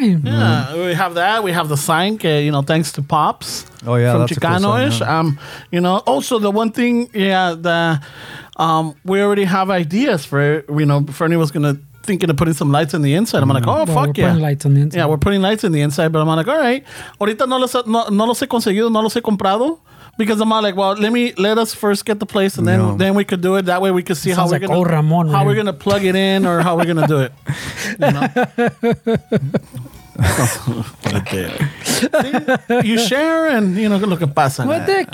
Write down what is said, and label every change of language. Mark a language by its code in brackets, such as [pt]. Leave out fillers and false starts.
[en] Yeah, mm-hmm. We have that. We have the sign. You know, thanks to Pops. Oh yeah, from Chicanoish. Cool sign, yeah. You know. Also, the one thing, yeah, the we already have ideas for, you know, if anyone's gonna. Thinking of putting some lights in the inside. I'm like, oh, well, fuck yeah. We're putting lights on the inside. Yeah, we're putting lights in the inside. But I'm like, all right. [es] Ahorita no los he conseguido, no los he comprado. [en] Because I'm like, well, let us first get the place and then we could do it. That way we could see how we're like, going we're going to plug it in or how we're going to do it. See, you share and you know, look at pasa. What the heck?